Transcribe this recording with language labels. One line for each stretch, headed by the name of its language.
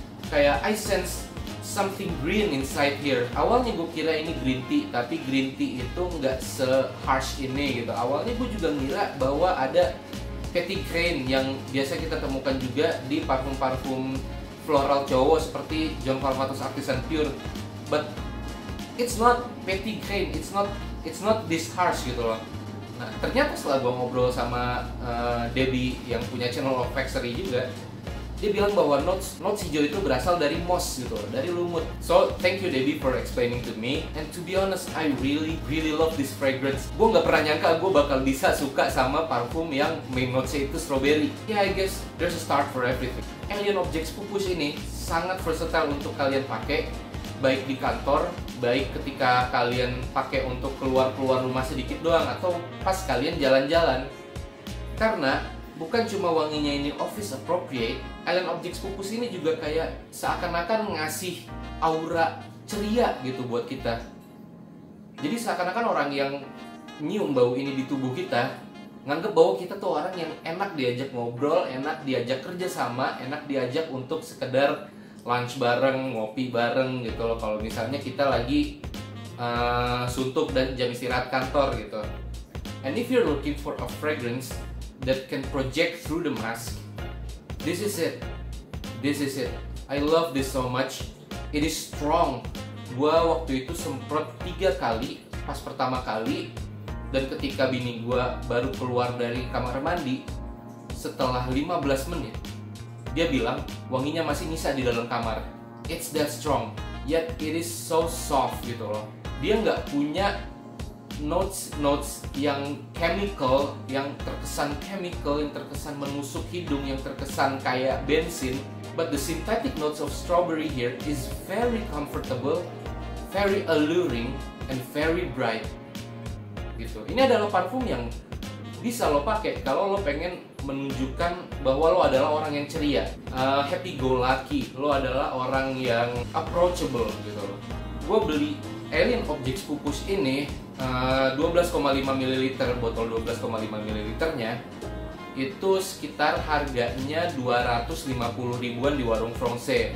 Indonesian: Kayak
English: I sense something green inside here.
Indonesian: Awalnya gue kira ini green tea, tapi green tea itu nggak se-harsh ini gitu. Awalnya gue juga ngira bahwa ada petit grain yang biasa kita temukan juga di parfum-parfum floral cowok seperti John Varvatos Artisan Pure.
English: But it's not petit grain, it's not this harsh
Indonesian: gitu loh. Nah, ternyata setelah gue ngobrol sama Debbie yang punya channel of factory juga, dia bilang bahwa notes hijau itu berasal dari moss gitu, dari lumut.
English: So, thank you Debbie for explaining to me. And to be honest, I really, really love this fragrance.
Indonesian: Gue nggak pernah nyangka gue bakal bisa suka sama parfum yang main notes-nya itu strawberry.
English: Yeah, I guess there's a start for everything.
Indonesian: Alien Objects Pupus ini sangat versatile untuk kalian pakai, baik di kantor, baik ketika kalian pakai untuk keluar-keluar rumah sedikit doang atau pas kalian jalan-jalan. Karena bukan cuma wanginya ini office appropriate, Alien Objects Pupus ini juga kayak seakan-akan ngasih aura ceria gitu buat kita. Jadi seakan-akan orang yang nyium bau ini di tubuh kita nganggep bahwa kita tuh orang yang enak diajak ngobrol, enak diajak kerja sama, enak diajak untuk sekedar lunch bareng, ngopi bareng gitu loh. Kalau misalnya kita lagi suntuk dan jam istirahat kantor gitu.
English: And if you're looking for a fragrance that can project through the mask, this is it. This is it. I love this so much. It is strong.
Indonesian: Gua waktu itu semprot 3 kali pas pertama kali, dan ketika bini gua baru keluar dari kamar mandi setelah 15 menit, dia bilang wanginya masih nyisa di dalam kamar.
English: It's that strong, yet it is so soft
Indonesian: gitu loh. Dia nggak punya notes-notes yang chemical, yang terkesan chemical, yang terkesan menusuk hidung, yang terkesan kayak bensin.
English: But the synthetic notes of strawberry here is very comfortable, very alluring, and very bright.
Indonesian: Gitu. Ini adalah parfum yang bisa lo pakai kalau lo pengen menunjukkan bahwa lo adalah orang yang ceria, happy go lucky, lo adalah orang yang approachable gitu loh. Gue beli Alien Objects Pupus ini 12,5 ml, botol 12,5 ml-nya itu sekitar harganya 250 ribuan di warung France.